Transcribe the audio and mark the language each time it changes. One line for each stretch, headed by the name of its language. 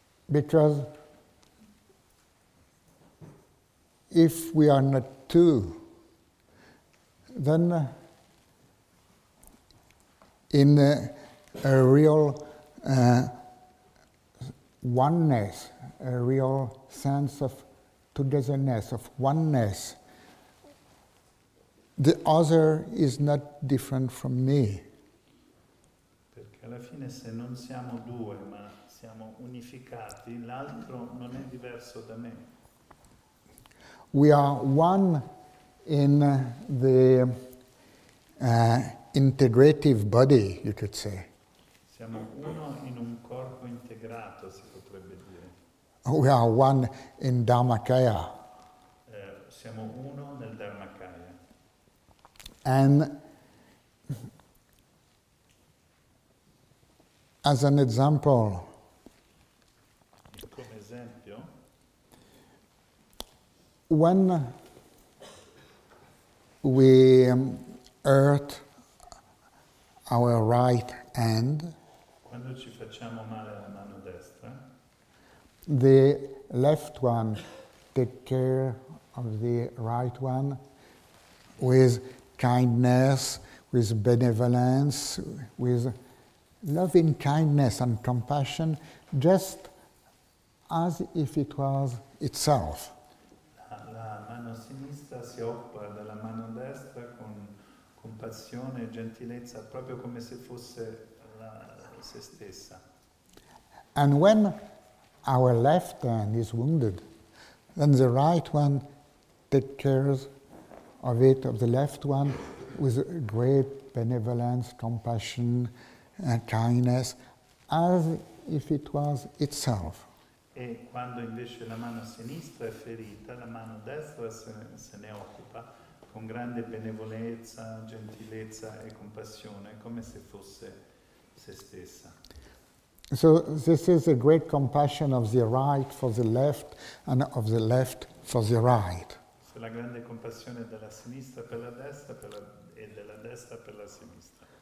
English: Because if we are not two, then in a real oneness, a real sense of togetherness, of oneness, the other is not different from me.
Italian: Perché alla fine se non siamo due ma siamo unificati, l'altro non è diverso da me.
English: We are one in the integrative body, you could say.
Italian: Siamo uno in un corpo integrato, si potrebbe dire.
English: We are one in Dharmakaya.
Italian: Siamo uno nel Dharmakaya.
English: And as an example,
Italian: come esempio,
English: when we hurt our right hand,
Italian: quando ci facciamo male alla mano destra,
English: the left one take care of the right one with kindness, with benevolence, with loving kindness and compassion, just as if it was itself.
Italian: La mano sinistra si occupa della mano destra con compassione e gentilezza, proprio come se fosse se stessa.
English: And when our left hand is wounded, then the right one takes care of it, of the left one, with great benevolence, compassion, and kindness, as if it was itself.
Italian: E quando invece la mano sinistra è ferita, la mano destra se ne occupa con grande benevolenza, gentilezza e compassione, come se fosse se stessa.
English: So this is a great compassion of the right for the left and of the left for the right.
Italian: C'è la grande compassione della sinistra per la destra e della destra per la sinistra.